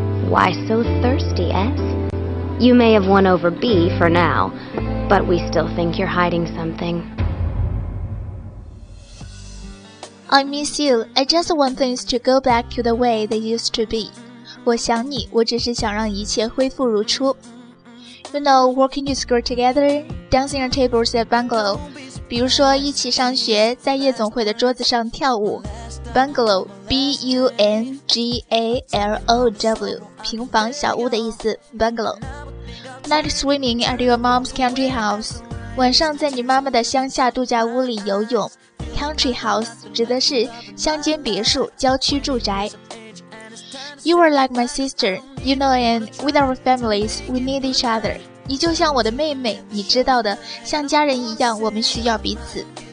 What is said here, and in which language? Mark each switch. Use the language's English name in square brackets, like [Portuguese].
[English] Why so thirsty, S? You may have won over B for now, but we still think you're hiding something. I miss you. I just want things to go back to the way they used to be. [Chinese] 我想你，我只是想让一切恢复如初。 [English] You know, working to school together, dancing on tables at bungalow. [Chinese] 比如说一起上学，在夜总会的桌子上跳舞。 [English] Bungalow, B-U-N-G-A-L-O-W, [Chinese] 平房小屋的意思 [English] ,Bungalow. Night swimming at your mom's country house, [Chinese] 晚上在你妈妈的乡下度假屋里游泳。 Country house 指的是乡间别墅、郊区住宅。 [English] You are like my sister, you know, and with our families, we need each other. [Chinese] 你就像我的妹妹，你知道的，像家人一样，我们需要彼此。